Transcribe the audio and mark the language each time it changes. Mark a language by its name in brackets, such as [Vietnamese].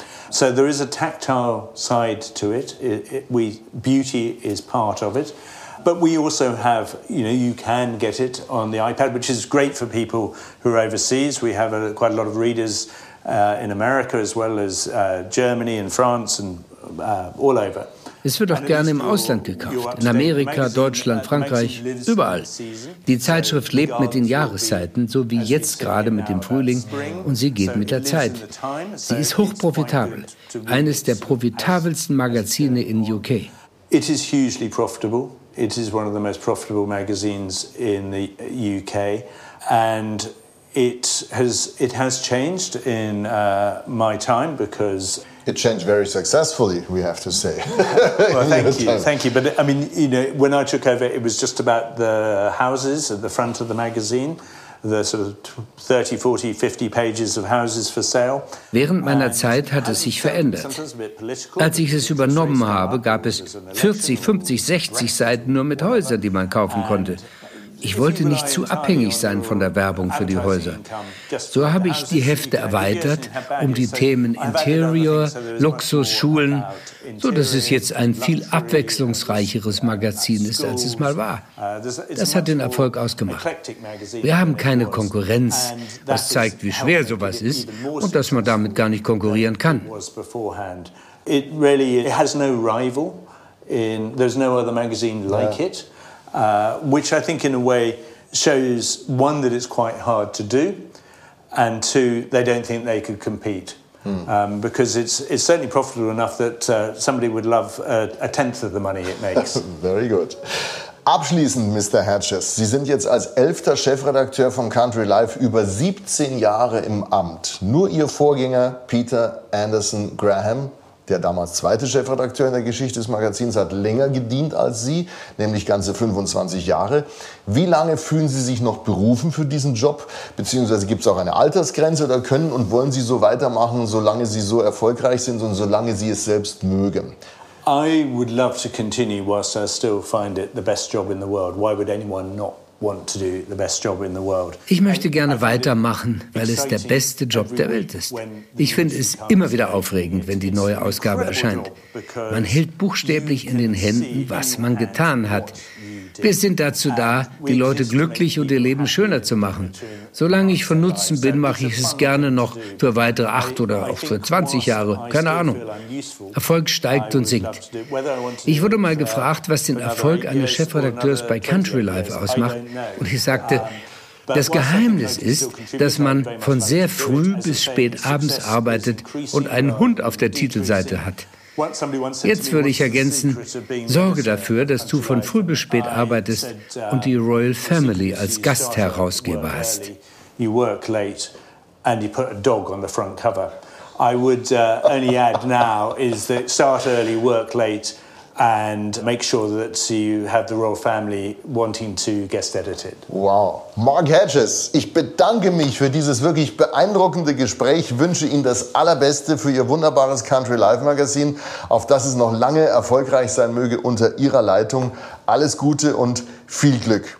[English] So there is a tactile side to it. Beauty is part of it. But we also have, you know, you can get it on the iPad, which is great for people who are overseas. We have quite a lot of readers in America as well as Germany and France and all over. [German] Es wird auch gerne im Ausland gekauft, in Amerika, Deutschland, Frankreich, überall. Die Zeitschrift lebt mit den Jahreszeiten, so wie jetzt gerade mit dem Frühling, und sie geht mit der Zeit. Sie ist hochprofitabel, eines der profitabelsten Magazine in UK. [English] It is hugely profitable. It is one of the most profitable magazines in the UK, and it has changed in my time because it changed very successfully, we have to say. Well, thank you. But I mean, you know, when I took over, it was just about the houses at the front of the magazine. The sort of 30, 40, 50 pages of houses for sale. [German] Während meiner Zeit hat es sich verändert. Als ich es übernommen habe, gab es 40, 50, 60 Seiten nur mit Häusern, die man kaufen konnte. Ich wollte nicht zu abhängig sein von der Werbung für die Häuser. So habe ich die Hefte erweitert um die Themen Interior, Luxus, Schulen, so dass es jetzt ein viel abwechslungsreicheres Magazin ist, als es mal war. Das hat den Erfolg ausgemacht. Wir haben keine Konkurrenz, was zeigt, wie schwer sowas ist und dass man damit gar nicht konkurrieren kann. [English] It really has no rival. There's no other magazine like it. Which I think in a way shows, one, that it's quite hard to do, and two, they don't think they could compete. Because it's certainly profitable enough that somebody would love a tenth of the money it makes. Very good. [German] Abschließend, [English] Mr. [German] Hatches, Sie sind jetzt als 11. Chefredakteur von Country Life über 17 Jahre im Amt. Nur Ihr Vorgänger, Peter Anderson Graham, der damals zweite Chefredakteur in der Geschichte des Magazins, hat länger gedient als Sie, nämlich ganze 25 Jahre. Wie lange fühlen Sie sich noch berufen für diesen Job? Beziehungsweise gibt es auch eine Altersgrenze? Oder können und wollen Sie so weitermachen, solange Sie so erfolgreich sind und solange Sie es selbst mögen? [English] I would love to continue whilst I still find it the best job in the world. Why would anyone not want to do the best job in the world? [German] Ich möchte gerne weitermachen, weil es der beste Job der Welt ist. Ich finde es immer wieder aufregend, wenn die neue Ausgabe erscheint. Man hält buchstäblich in den Händen, was man getan hat. Wir sind dazu da, die Leute glücklich und ihr Leben schöner zu machen. Solange ich von Nutzen bin, mache ich es gerne noch für weitere 8 oder auch für 20 Jahre. Keine Ahnung. Erfolg steigt und sinkt. Ich wurde mal gefragt, was den Erfolg eines Chefredakteurs bei Country Life ausmacht. Und ich sagte, das Geheimnis ist, dass man von sehr früh bis spät abends arbeitet und einen Hund auf der Titelseite hat. Jetzt würde ich ergänzen, sorge dafür, dass du von früh bis spät arbeitest und die Royal Family als Gastherausgeber hast. [English] You work late and you put a dog on the front cover. I would only add now is that start early, work late and make sure that you have the Royal Family wanting to guest edit it. Wow. [German] Mark Hatches, ich bedanke mich für dieses wirklich beeindruckende Gespräch, wünsche Ihnen das Allerbeste für Ihr wunderbares Country Life Magazin, auf das es noch lange erfolgreich sein möge unter Ihrer Leitung. Alles Gute und viel Glück.